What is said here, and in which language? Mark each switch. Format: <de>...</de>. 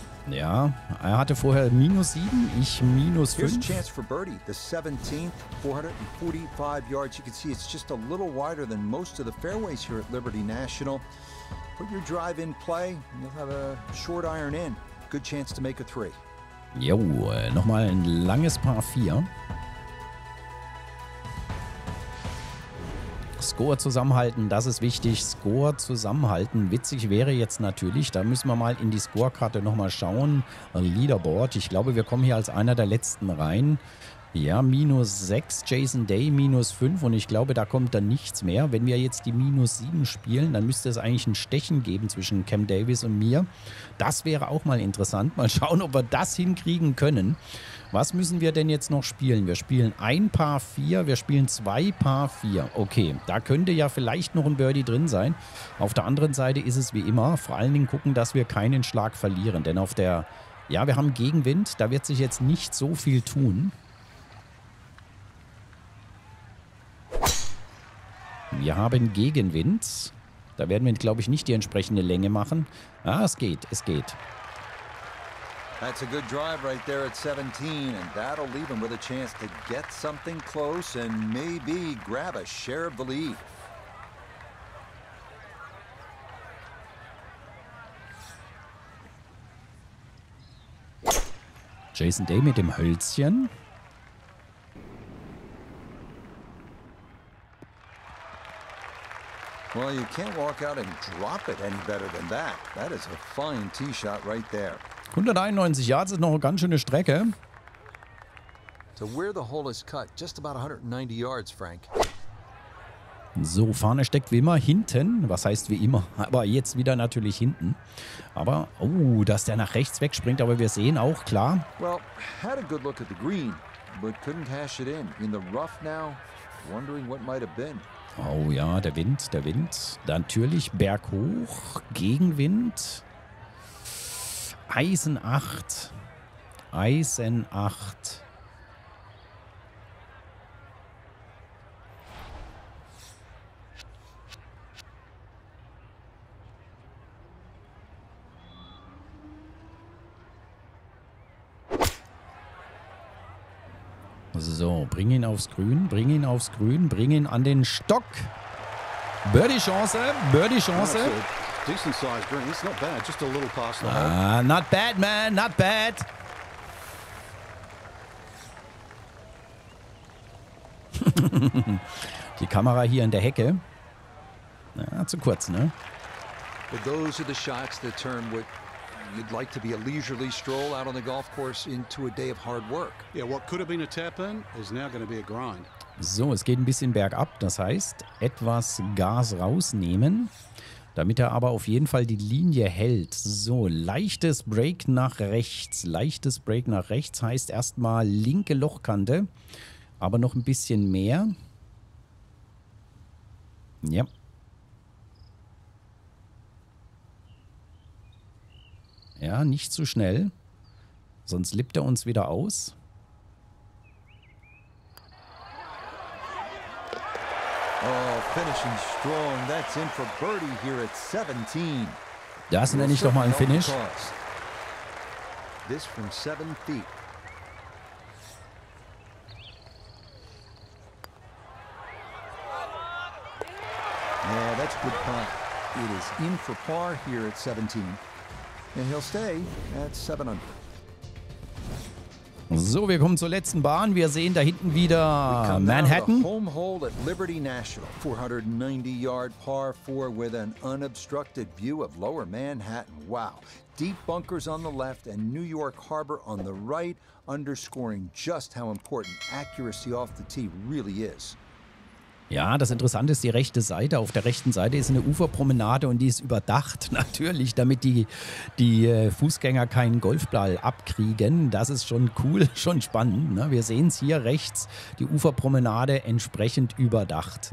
<de>Ja, er hatte vorher minus 7, ich minus 5.</de> <en>Here's a chance for birdie, the 17th, 445 yards. You can see it's just a little wider than most of the fairways here at Liberty National. Put your drive in play, and you'll have a short iron in. Good chance to make a 3.</en> <de>Jo, nochmal ein langes Par 4. Score zusammenhalten, das ist wichtig. Score zusammenhalten. Witzig wäre jetzt natürlich, da müssen wir mal in die Scorekarte nochmal schauen. Leaderboard, ich glaube, wir kommen hier als einer der letzten rein. Ja, minus 6, Jason Day, minus 5 und ich glaube, da kommt dann nichts mehr. Wenn wir jetzt die minus 7 spielen, dann müsste es eigentlich ein Stechen geben zwischen Cam Davis und mir. Das wäre auch mal interessant. Mal schauen, ob wir das hinkriegen können. Was müssen wir denn jetzt noch spielen? Wir spielen ein Paar 4, wir spielen zwei Paar 4. Okay, da könnte ja vielleicht noch ein Birdie drin sein. Auf der anderen Seite ist es wie immer, vor allen Dingen gucken, dass wir keinen Schlag verlieren. Denn auf der, ja, wir haben Gegenwind, da wird sich jetzt nicht so viel tun. Wir haben Gegenwind. Da werden wir, glaube ich, nicht die entsprechende Länge machen. Ah, es geht, es geht.</de> <en>That's a good drive right there at 17. And that'll leave him with a chance to get something close and maybe grab a share of the lead.</en> <de>Jason Day mit dem Hölzchen.</de> <en>Well, you can't walk out and drop it any better than that. That is a fine tee shot right there.</en> <de>191 Yards ist noch eine ganz schöne Strecke.</de> <en>So where the hole is cut, just about 190 yards, Frank.</en> <de>So, Fahne steckt wie immer hinten. Was heißt wie immer? Aber jetzt wieder natürlich hinten. Aber, oh, dass der nach rechts wegspringt, aber wir sehen auch, klar.</de> <en>Well, had a good look at the green, but couldn't cash it in. In the rough now, wondering what might have been.</en> <de>Oh ja, der Wind, der Wind. Natürlich berghoch, Gegenwind. Eisen 8. Eisen 8. So, bring ihn aufs Grün, bring ihn aufs Grün, bring ihn an den Stock. Birdie-Chance, Birdie-Chance.</de> <en>Decent-sized green, it's not bad, just a little past the hole. Not bad, man, not bad.</en> <de>Die Kamera hier in der Hecke. Na, zu kurz, ne?</de> <en>But those are the shots that turn with... You'd like to be a leisurely stroll out on the golf course into a day of hard work. Yeah, what could have been a tap-in is now going to be a grind.</en> <de>So, es geht ein bisschen bergab, das heißt, etwas Gas rausnehmen, damit er aber auf jeden Fall die Linie hält. So, leichtes Break nach rechts. Leichtes Break nach rechts heißt erstmal linke Lochkante, aber noch ein bisschen mehr. Ja. Ja, nicht zu schnell, sonst lippt er uns wieder aus.</de> <en>Oh, finishing strong. That's in for birdie here at 17.</en> <de>Das nenne ich doch mal ein Finish.</de> <en>This from 7 feet. Yeah, that's good par. It is in for par here at 17. And he'll stay at 700.</en> <de>So, wir kommen zur letzten Bahn. Wir sehen da hinten wieder Manhattan.</de> <en>Home hole at Liberty National, 490-yard par 4 with an unobstructed view of lower Manhattan. Wow. Deep bunkers on the left and New York Harbor on the right, underscoring just how important accuracy off the tee really is.</en> <de>Ja, das Interessante ist die rechte Seite. Auf der rechten Seite ist eine Uferpromenade und die ist überdacht natürlich, damit die Fußgänger keinen Golfball abkriegen. Das ist schon cool, schon spannend. Ne? Wir sehen es hier rechts, die Uferpromenade entsprechend überdacht.</de>